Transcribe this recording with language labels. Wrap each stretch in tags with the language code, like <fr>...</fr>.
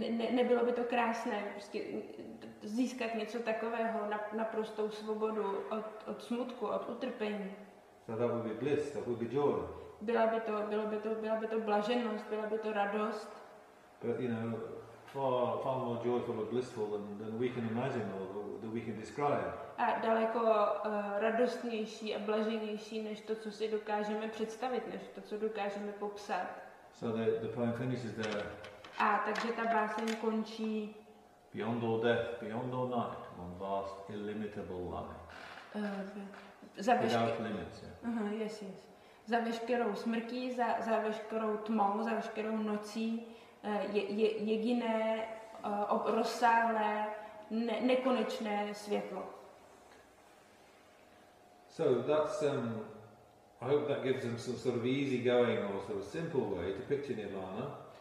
<cs>Nebylo by to krásné prostě získat něco takového, naprostou svobodu od smutku, od utrpení.</cs> <en>So that would be bliss, that would be joy.</en> <cs>Byla by to blaženost, byla by to radost.</cs> <en>But you know, far more joyful or blissful than we can imagine or that we can describe.</en> <cs>A daleko radostnější a blaženější než to, co si dokážeme představit, než to, co dokážeme popsat.</cs> <en>So the poem finishes there.</en> <cs>A takže ta báseň končí.</cs> <en>Beyond all death, beyond all night, one vast illimitable light. Without limits. Yes, yes.</en> <cs>Za veškerou smrtí, za veškerou tmou, za veškerou nocí jediné rozsáhlé nekonečné světlo.</cs> <en>So that's I hope that gives them some sort of easy going or sort of simple way to picture Nirvana.</en>